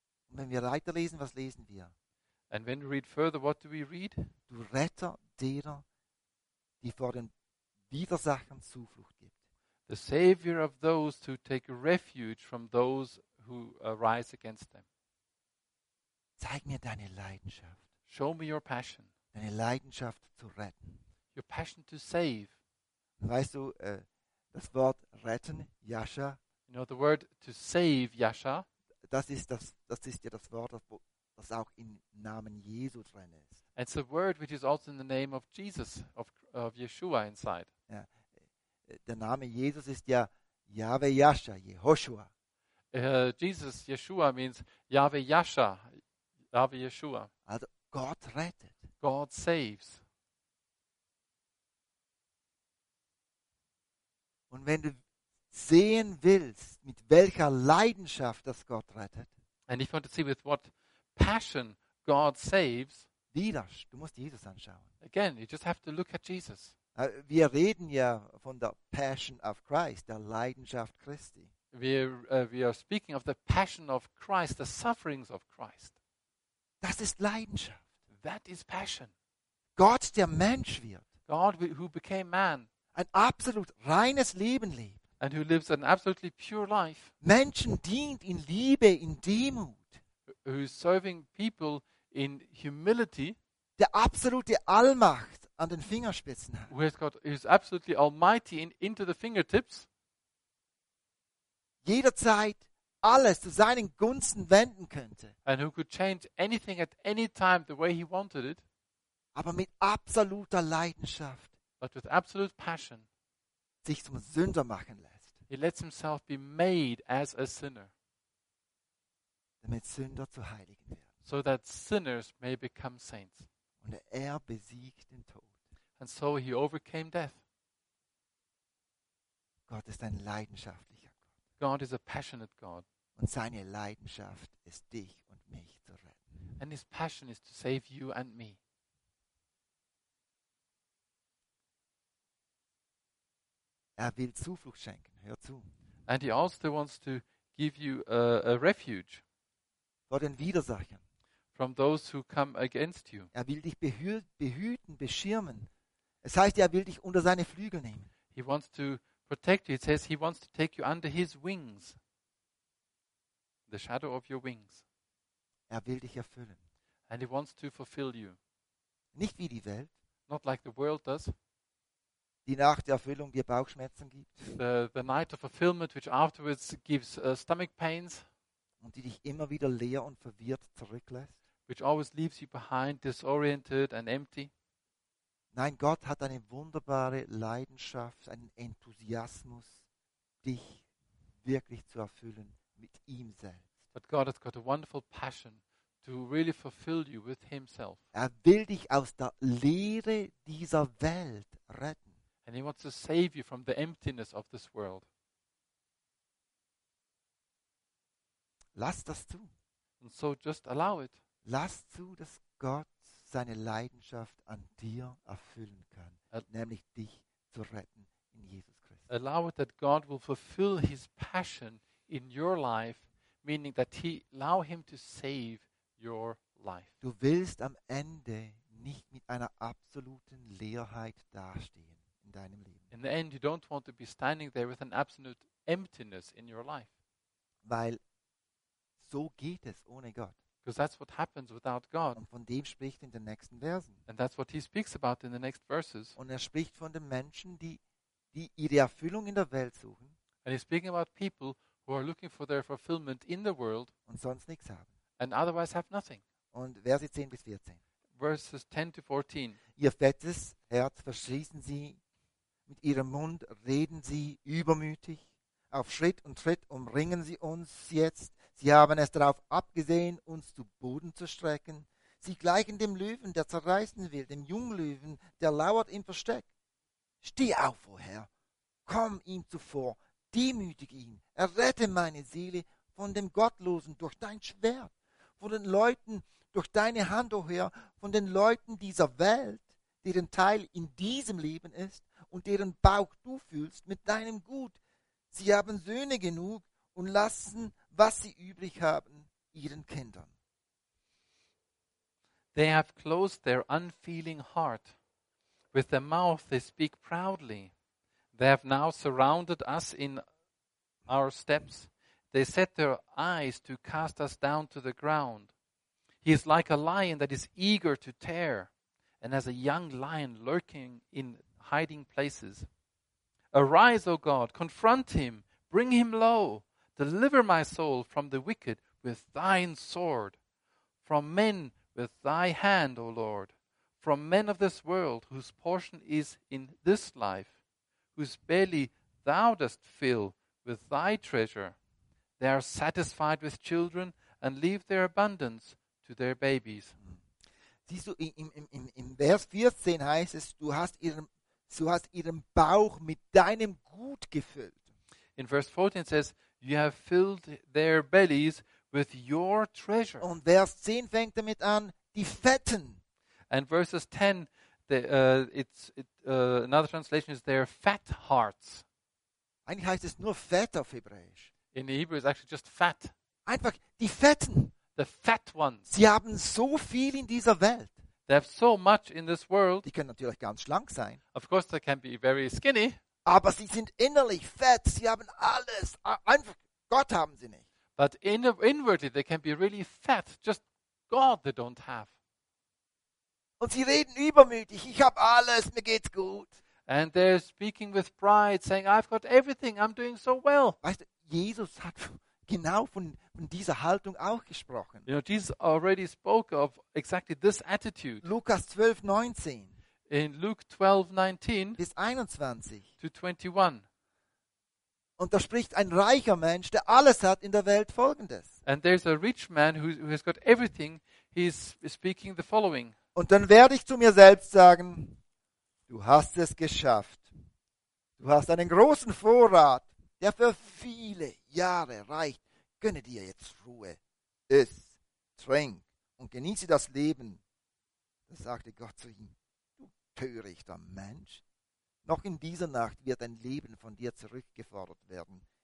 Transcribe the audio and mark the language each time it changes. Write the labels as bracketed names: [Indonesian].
[German] Wenn wir weiterlesen, was lesen wir? [English] And when we read further, what do we read? [German] Du Retter derer, die vor den Widersachern Zuflucht gibt. [English] The Savior of those who take refuge from those who arise against them. [German] Zeig mir deine Leidenschaft. [English] Show me your passion. [German] Deine Leidenschaft zu retten. [English] Your passion to save. [German] Weißt du, das Wort retten, Yasha? [English] You know the word to save, Yasha? [German] Das ist ja das Wort, das auch im Namen Jesu drin ist. [English] It's a word which is also in the name of Jesus, of Yeshua inside. [German] Ja. Der Name Jesus ist ja Yahweh Yasha, Yehoshua. [English] Jesus, Yeshua means Yahweh Yasha, Yahweh Yeshua. [German] Also Gott rettet. [English] God saves. [German] Und wenn du sehen willst, mit welcher Leidenschaft das Gott rettet. [English] And if you want to see with what passion God saves. [German] Wieder, du musst Jesus anschauen. [English] Again, you just have to look at Jesus. [German] Wir reden ja von der [English] Passion of Christ, [German] der Leidenschaft Christi. [English] We are speaking of the passion of Christ, the sufferings of Christ. [German] Das ist Leidenschaft. [English] That is passion. [German] Gott, der Mensch wird. [English] God who became man. [German] Ein absolut reines Leben lebt. [English] And who lives an absolutely pure life. [German] Menschen dient in Liebe, in Demut. [English] Who is serving people in humility. [German] Der absolute Allmacht an den Fingerspitzen hat. [English] Who has got, who is absolutely almighty into the fingertips. [German] Jederzeit alles zu seinen Gunsten wenden könnte. [English] And who could change anything at any time the way he wanted it. [German] Aber mit absoluter Leidenschaft. [English] But with absolute passion. [German] Sich zum Sünder machen lässt. [English] He lets himself be made as a sinner. [German] Damit Sünder zu Heiligen werden. [English] So that sinners may become saints. [German] Und er besiegt den Tod. [English] And so he overcame death. [German] Gott ist ein leidenschaftlicher Gott. [English] God is a passionate God. [German] Und seine Leidenschaft ist dich und mich zu retten. [English] And his passion is to save you and me. [German] Er will Zuflucht schenken. Hör zu. [English] And he also wants to give you a refuge. [German] Vor den Widersachern. [English] From those who come against you. [German] Er will dich behüten, beschirmen. Es heißt, er will dich unter seine Flügel nehmen. [English] He wants to protect you. It says he wants to take you under his wings. The shadow of your wings. [German] Er will dich erfüllen. [English] And he wants to fulfill you. [German] Nicht wie die Welt. [English] Not like the world does. [German] Die Nacht der Erfüllung, die Bauchschmerzen gibt. [English] The night of fulfillment, which afterwards gives stomach pains. [German] Und die dich immer wieder leer und verwirrt zurücklässt. [English] Which always leaves you behind, disoriented and empty. [German] Nein, Gott hat eine wunderbare Leidenschaft, einen Enthusiasmus, dich wirklich zu erfüllen mit ihm selbst. [English] But God has got a wonderful passion to really fulfill you with himself. [German] Er will dich aus der Leere dieser Welt retten. [English] And he wants to save you from the emptiness of this world. [German] Lass das zu. [English] And so just allow it. [German] Lass zu, dass Gott seine Leidenschaft an dir erfüllen kann, nämlich dich zu retten in Jesus Christus. [English] Allow it that God will fulfill his passion in your life, meaning that he allow him to save your life. [German] Du willst am Ende nicht mit einer absoluten Leerheit dastehen in deinem Leben. [English] In the end you don't want to be standing there with an absolute emptiness in your life. [German] Weil so geht es ohne Gott. [English] Because that's what happens without God. [German] Und von dem spricht in den nächsten Versen. [English] And that's what he speaks about in the next verses. [German] Und er spricht von den Menschen, die ihre Erfüllung in der Welt suchen. [English] And he's speaking about people who are looking for their fulfillment in the world. [German] Und sonst nichts haben. [English] And otherwise have nothing. [German] Und Verse 10 bis 14. [English] Verses 10 to 14. [German] Ihr fettes Herz verschließen sie, mit ihrem Mund reden sie übermütig. Auf Schritt und Tritt umringen sie uns jetzt. Sie haben es darauf abgesehen, uns zu Boden zu strecken. Sie gleichen dem Löwen, der zerreißen will, dem Junglöwen, der lauert im Versteck. Steh auf, o Herr, komm ihm zuvor, demütige ihn, errette meine Seele von dem Gottlosen durch dein Schwert, von den Leuten durch deine Hand, o Herr, von den Leuten dieser Welt, deren Teil in diesem Leben ist und deren Bauch du fühlst mit deinem Gut. Sie haben Söhne genug und lassen, was sie übrig haben, ihren Kindern. [English] They have closed their unfeeling heart. With their mouth they speak proudly. They have now surrounded us in our steps. They set their eyes to cast us down to the ground. He is like a lion that is eager to tear, and as a young lion lurking in hiding places. Arise, O God, confront him, bring him low. Deliver my soul from the wicked with thine sword, from men with thy hand, O Lord, from men of this world whose portion is in this life, whose belly thou dost fill with thy treasure. They are satisfied with children and leave their abundance to their babies. [German] Siehst du, in Vers 14 heißt es, du hast ihren Bauch mit deinem Gut gefüllt. [English] In Vers 14 says, you have filled their bellies with your treasure. [German] Und Vers 10 fängt damit an, die Fetten. [English] And verses 10, another translation is their fat hearts. [German] Eigentlich heißt es nur Fett auf Hebräisch. [English] In Hebrew it's actually just fat. [German] Einfach die Fetten. [English] The fat ones. [German] Sie haben so viel in dieser Welt. [English] They have so much in this world. [German] Die können natürlich ganz schlank sein. [English] Of course they can be very skinny. [German] Aber sie sind innerlich fett. Sie haben alles. Einfach Gott haben sie nicht. [English] But inwardly they can be really fat. Just God they don't have. [German] Und sie reden übermütig. Ich habe alles. Mir geht's gut. [English] And they're speaking with pride, saying, I've got everything. I'm doing so well. [German] Weißt du, Jesus hat genau von dieser Haltung auch gesprochen. [English] You know, Jesus already spoke of exactly this attitude. [German] Lukas 12, 19. [English] In Luke 12, 19 [German] bis 21. [English] To 21. [German] Und da spricht ein reicher Mensch, der alles hat in der Welt, Folgendes. [English] And there's a rich man who has got everything. He's speaking the following. [German] Und dann werde ich zu mir selbst sagen, du hast es geschafft. Du hast einen großen Vorrat, der für viele Jahre reicht. Gönne dir jetzt Ruhe. Iss, trink und genieße das Leben. Das sagte Gott zu ihm. Törichter Mensch, noch in dieser Nacht wird dein Leben von dir zurückgefordert werden.